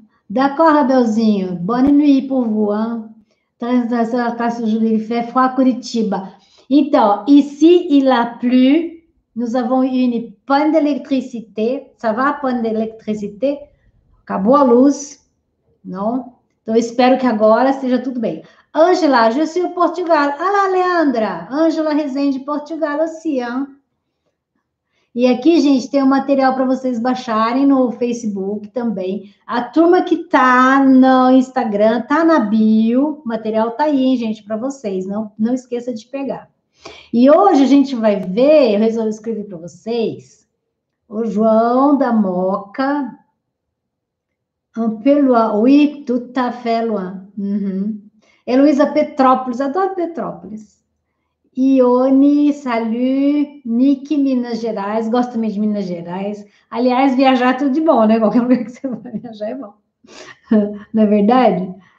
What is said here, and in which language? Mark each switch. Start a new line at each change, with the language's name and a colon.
French: D'accord, Abelzinho. Bonne nuit pour vous. Transnacional Tasso Julie, fait froid Curitiba. Então, ici il a plu. Nous avons une panne d'électricité. Ça va, panne d'électricité?
Portuguese: Acabou a luz. Não? Então, espero que agora seja tudo bem.
French: Ângela, je suis au Portugal.
Portuguese: Alá, Leandra. Ângela Rezende, Portugal, Ocean. E aqui, gente, tem o um material para vocês baixarem no Facebook também. A turma que tá no Instagram, tá na bio. O material tá aí, hein, gente, para vocês. Não esqueça de pegar. E hoje a gente vai ver, eu resolvi escrever para vocês, o João da Mooca.
French: Ampelua, oui, tout à fait, Luan.
Portuguese: Heloísa Petrópolis, adoro Petrópolis. Ione, salut, Nick, Minas Gerais, gosto também de Minas Gerais. Aliás, viajar é tudo de bom, né? Qualquer lugar que você vai viajar é bom. Não é verdade?